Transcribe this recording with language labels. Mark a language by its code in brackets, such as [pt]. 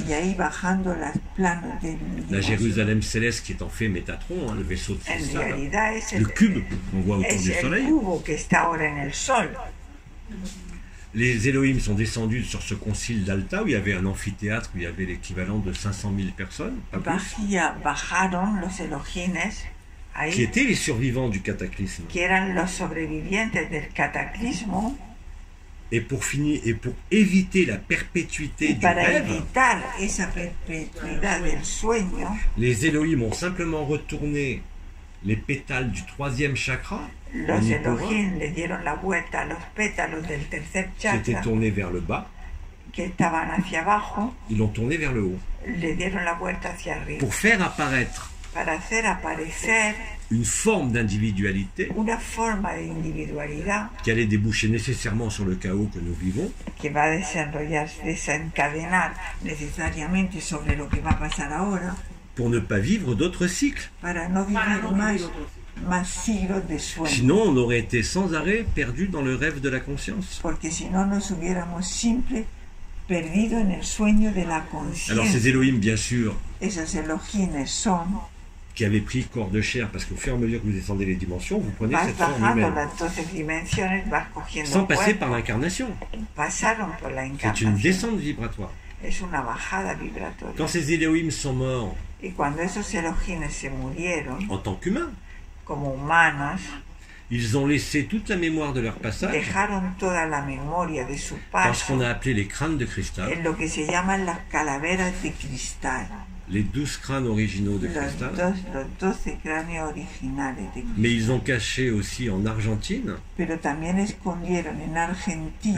[es] Y ahí bajando las planos de [fr] la Jérusalem céleste qui est en fait Métatron, hein, le vaisseau de [es] en realidad, es [fr] le cube qu'on voit autour du soleil. [es] Cubo que está ahora en el sol. [fr] Les Elohim sont descendus sur ce concile d'Alta où il y avait un amphithéâtre où il y avait l'équivalent de 500 000 personnes. [es] Bajaron los Elohines. [fr] Qui étaient les survivants du cataclysme. [es] Qui eran los sobrevivientes del cataclismo. [fr] Et pour finir, et pour éviter la perpétuité [es] y para [fr] du rêve, [es] evitar esa perpetuidad del sueño, [fr] les Elohim ont simplement retourné les pétales du troisième chakra. [es] Los Elohim le dieron la vuelta a los pétalos del tercer chakra. [fr] Qui étaient tournés vers le bas. [es] Que estaban hacia abajo. [fr] Ils l'ont tourné vers le haut. [es] Le dieron la vuelta hacia arriba. [fr] Pour faire apparaître. [es] Para hacer aparecer. [fr] Une forme d'individualité. [es] Una forma de individualidad. [fr] Qui allait déboucher nécessairement sur le chaos que nous vivons. [es] Que va desencadenar necesariamente sobre lo que va a pasar ahora. [fr] Pour ne pas vivre d'autres cycles. [es] Para no vivir más siglos de sueño. [fr] Sinon, on aurait été sans arrêt perdu dans le rêve de la conscience. [es] Porque si no nos hubiéramos siempre perdido en el sueño de la conciencia. [fr] Alors ces Elohim, bien sûr. [es] Esos Elohim son. [fr] Qui avait pris corps de chair, parce qu'au fur et à mesure que vous descendez les dimensions, vous prenez [es] vas [fr] cette forme humaine. Sans passer [es] cuerpo, [fr] par l'incarnation. [es] Pasaron por la encarnación. [fr] C'est une descente vibratoire. [es] Es una bajada vibratoria. [fr] Quand ces Elohim sont morts, [es] y cuando esos Elohim se murieron, [fr] en tant qu'humains, [es] como humanos, [fr] ils ont laissé toute la mémoire de leur passage, [es] dejaron toda la memoria de su paso, [fr] parce qu'on a appelé les crânes de cristal, [es] en lo que se llaman las calaveras de cristal. [fr] Les 12 crânes originaux de cristal. [es] Los 12 cráneos originales de cristal. [fr] Mais ils ont caché aussi en Argentine. [es] Pero también escondieron en Argentina.